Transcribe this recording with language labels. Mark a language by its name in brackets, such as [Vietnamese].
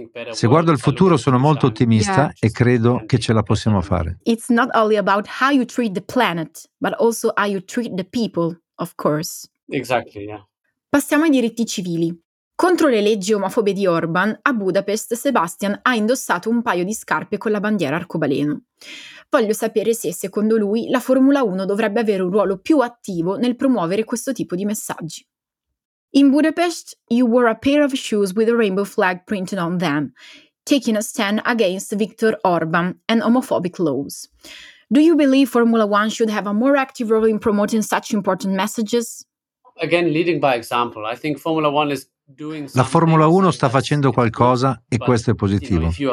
[Italian] Se guardo al futuro sono molto ottimista e credo che ce la possiamo fare. [English] It's not only about how you treat the planet, but also how you treat the people, of course. Exactly, yeah. [Italian] Passiamo ai diritti civili. Contro le leggi omofobe di Orban, a Budapest Sebastian ha indossato un paio di scarpe con la bandiera arcobaleno. Voglio sapere se, secondo lui, la Formula 1 dovrebbe avere un ruolo più attivo nel promuovere questo tipo di messaggi. [English] In Budapest, you wore a pair of shoes with a rainbow flag printed on them, taking a stand against Viktor Orban and homophobic laws. Do you believe Formula 1 should have a more active role in promoting such important messages? Again, leading by example, I think Formula 1 is... [Italian] La Formula 1 sta facendo qualcosa e questo è positivo.